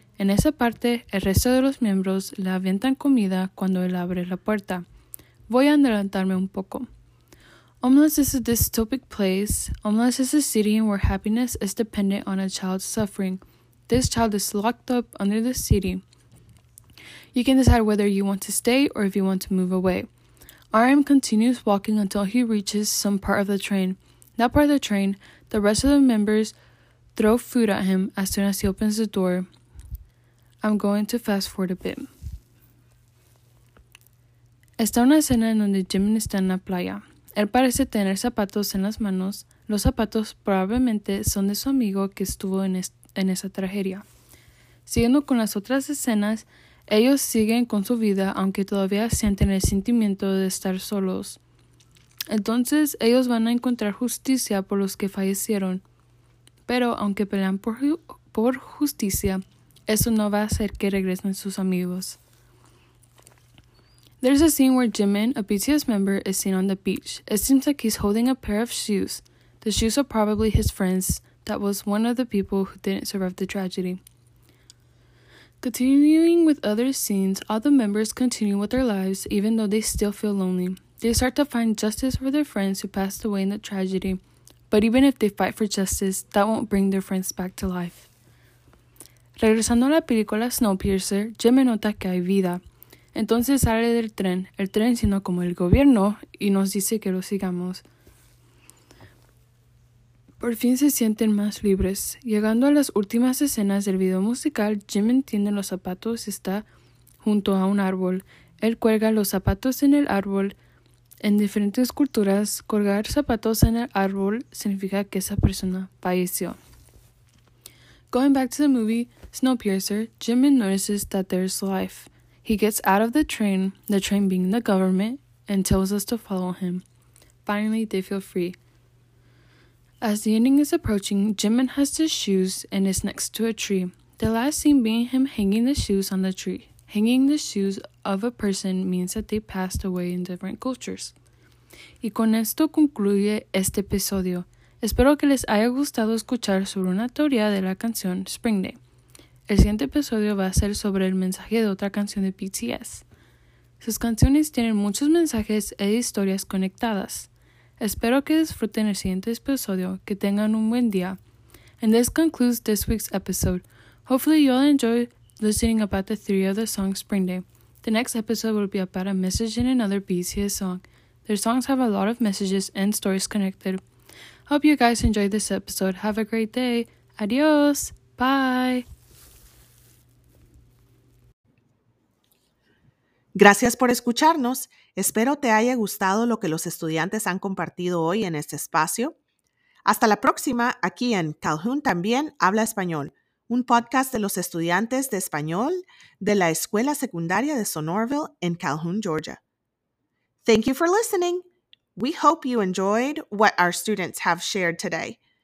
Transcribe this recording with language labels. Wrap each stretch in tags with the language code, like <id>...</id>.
<es>En esa parte, el resto de los miembros le avientan comida cuando él abre la puerta. Voy a adelantarme un poco.</es> <en>Omelas is a dystopic place. Omelas is a city where happiness is dependent on a child's suffering. This child is locked up under the city. You can decide whether you want to stay or if you want to move away. RM continues walking until he reaches some part of the train. That part of the train, the rest of the members throw food at him as soon as he opens the door. I'm going to fast forward a bit.</en> <es>Está una escena en donde Jimmy está en la playa. Él parece tener zapatos en las manos. Los zapatos probablemente son de su amigo que estuvo en esa tragedia. Siguiendo con las otras escenas, ellos siguen con su vida aunque todavía sienten el sentimiento de estar solos. Entonces, ellos van a encontrar justicia por los que fallecieron. Pero aunque pelean por justicia, eso no va a hacer que regresen sus amigos.</es> <en>There's a scene where Jimin, a BTS member, is seen on the beach. It seems like he's holding a pair of shoes. The shoes are probably his friend's. That was one of the people who didn't survive the tragedy. Continuing with other scenes, all the members continue with their lives, even though they still feel lonely. They start to find justice for their friends who passed away in the tragedy. But even if they fight for justice, that won't bring their friends back to life.</en> <es>Regresando a la película Snowpiercer, Jimin nota que hay vida. Entonces sale del tren, el tren sino como el gobierno, y nos dice que lo sigamos. Por fin se sienten más libres. Llegando a las últimas escenas del video musical, Jimin tiene los zapatos y está junto a un árbol. Él cuelga los zapatos en el árbol. En diferentes culturas, colgar zapatos en el árbol significa que esa persona falleció.</es> <en>Going back to the movie Snowpiercer, Jimin notices that there's life. He gets out of the train being the government, and tells us to follow him. Finally, they feel free. As the ending is approaching, Jimin has his shoes and is next to a tree. The last scene being him hanging the shoes on the tree. Hanging the shoes of a person means that they passed away in different cultures.</en> <es>Y con esto concluye este episodio. Espero que les haya gustado escuchar sobre una teoría de la canción Spring Day. El siguiente episodio va a ser sobre el mensaje de otra canción de BTS. Sus canciones tienen muchos mensajes e historias conectadas. Espero que disfruten el siguiente episodio, que tengan un buen día.</es> <en>And this concludes this week's episode. Hopefully you'll enjoy listening about the theory of the song Spring Day. The next episode will be about a message in another BTS song. Their songs have a lot of messages and stories connected. Hope you guys enjoyed this episode. Have a great day. Adios. Bye.</en> <es>Gracias por escucharnos. Espero te haya gustado lo que los estudiantes han compartido hoy en este espacio. Hasta la próxima aquí en Calhoun También Habla Español, un podcast de los estudiantes de español de la Escuela Secundaria de Sonorville en Calhoun, Georgia.</es> <en>Thank you for listening. We hope you enjoyed what our students have shared today.</en>